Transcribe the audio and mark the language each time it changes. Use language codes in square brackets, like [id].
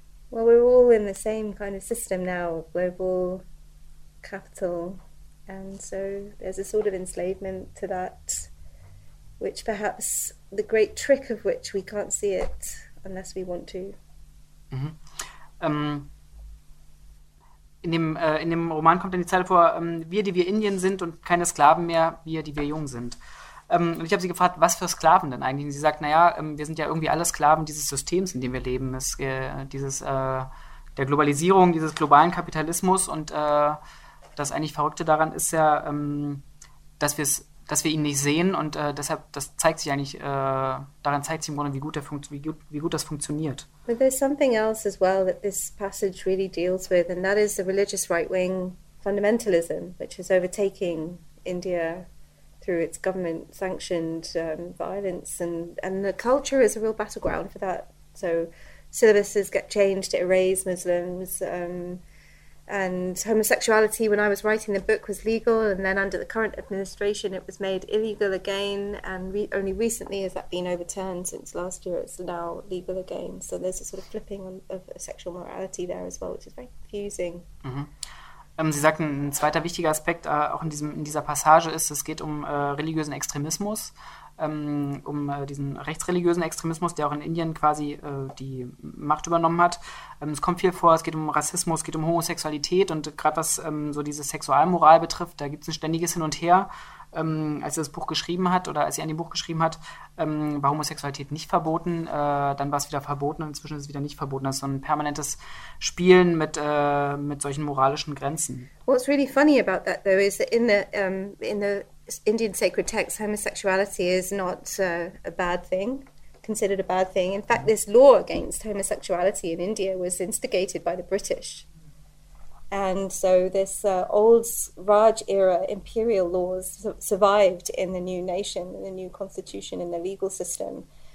[en] Well, we're all in the same kind of system now, global capital. And so there's a sort of enslavement to that, which perhaps the great trick of which we can't see it unless we want to. Mm-hmm. [de] In dem Roman kommt dann die Zeile vor, wir, die wir Indien sind und keine Sklaven mehr, wir, die wir jung sind. Und ich habe sie gefragt, was für Sklaven denn eigentlich? Und sie sagt, naja, wir sind ja irgendwie alle Sklaven dieses Systems, in dem wir leben, der Globalisierung, dieses globalen Kapitalismus. Und das eigentlich Verrückte daran ist ja, dass wir ihn nicht sehen. Und deshalb, das zeigt sich eigentlich, daran zeigt sich im Grunde, wie gut das funktioniert. [en] But there's something else as well that this passage really deals with, and that is the religious right-wing fundamentalism, which is overtaking India through its government-sanctioned violence. And the culture is a real battleground for that. So syllabuses get changed to erase Muslims. And homosexuality, when I was writing the book, was legal. And then under the current administration, it was made illegal again. And only recently has that been overturned. Since last year, it's now legal again. So there's a sort of flipping of sexual morality there as well, which is very confusing. Mm-hmm. [de] Sie sagten, ein zweiter wichtiger Aspekt auch in dieser Passage ist, es geht um religiösen Extremismus, diesen rechtsreligiösen Extremismus, der auch in Indien quasi die Macht übernommen hat. Es kommt viel vor, es geht um Rassismus, es geht um Homosexualität und gerade was so diese Sexualmoral betrifft, da gibt es ein ständiges Hin und Her, als sie das Buch geschrieben hat oder als sie an dem Buch geschrieben hat, war Homosexualität nicht verboten, dann war es wieder verboten und inzwischen ist es wieder nicht verboten. Das ist so ein permanentes Spielen mit solchen moralischen Grenzen. [en] What's really funny about that though is that in the Indian sacred text, homosexuality is not a bad thing, considered a bad thing. In fact, this law against homosexuality in India was instigated by the British. And so this old Raj era imperial laws survived in the new nation, in the new constitution, in the legal system.